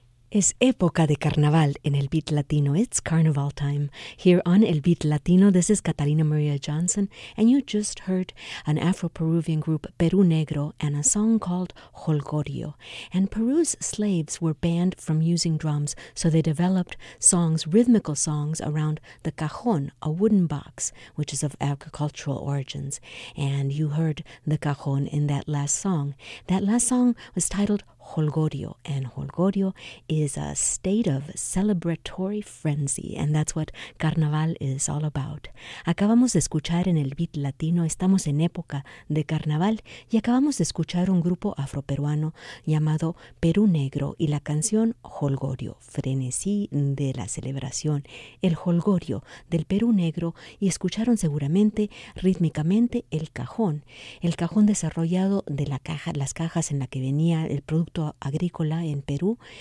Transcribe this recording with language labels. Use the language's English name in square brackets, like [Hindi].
[Spanish] Es época de carnaval en el Beat Latino. [English] It's carnival time. Here on El Beat Latino, this is Catalina Maria Johnson, and you just heard an Afro-Peruvian group, Perú Negro, and a song called Jolgorio. And Peru's slaves were banned from using drums, so they developed songs, rhythmical songs, around the cajón, a wooden box, which is of agricultural origins. And you heard the cajón in that last song. That last song was titled Jolgorio, and Jolgorio is a state of celebratory frenzy, and that's what carnaval is all about. [Spanish] Acabamos de escuchar en el Beat Latino, estamos en época de carnaval, y acabamos de escuchar un grupo afroperuano llamado Perú Negro y la canción Jolgorio, frenesí de la celebración, el jolgorio del Perú Negro, y escucharon seguramente rítmicamente el cajón desarrollado de la caja, las cajas en la que venía el producto agrícola en Perú,